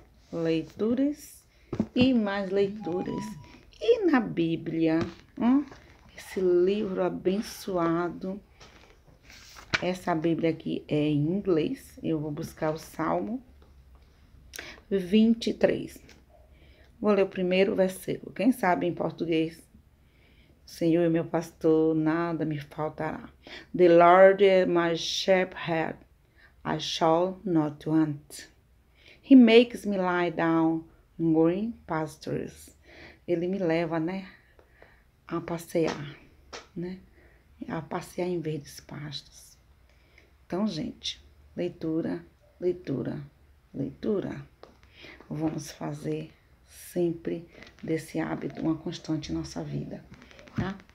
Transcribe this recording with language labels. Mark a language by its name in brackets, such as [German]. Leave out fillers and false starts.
[Portuguese] Leituras e mais leituras. E na Bíblia, esse livro abençoado. Essa Bíblia aqui é em inglês. Eu vou buscar o Salmo 23. Vou ler o primeiro versículo. Quem sabe em português? Senhor, meu pastor, nada me faltará. [English] The Lord is my shepherd, I shall not want. He makes me lie down in green pastures. [Portuguese] Ele me leva, né, a passear, né, a passear em verdes pastos. Então, gente, leitura, leitura, leitura. Vamos fazer sempre desse hábito uma constante em nossa vida, tá?